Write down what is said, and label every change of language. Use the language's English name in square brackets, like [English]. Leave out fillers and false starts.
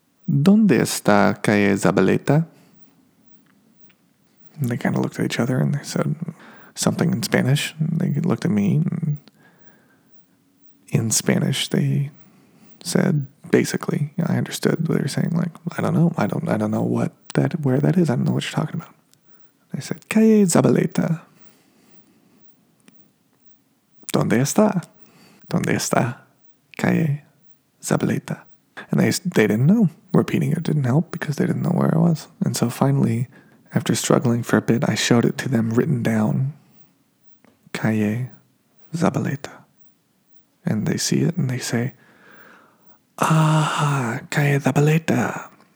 [Spanish] ¿Dónde está Calle Zabaleta? [English] And they kind of looked at each other and they said something in Spanish. And they looked at me, and in Spanish they said, basically, you know, I understood what they were saying. Like, I don't know. I don't know where that is. I don't know what you're talking about. They said, Calle Zabaleta. [Spanish] ¿Dónde está? ¿Dónde está Calle Zabaleta? [English] And they didn't know. Repeating it didn't help because they didn't know where I was. And so finally, after struggling for a bit, I showed it to them written down. Calle Zabaleta. And they see it and they say, ah, Calle Zabaleta.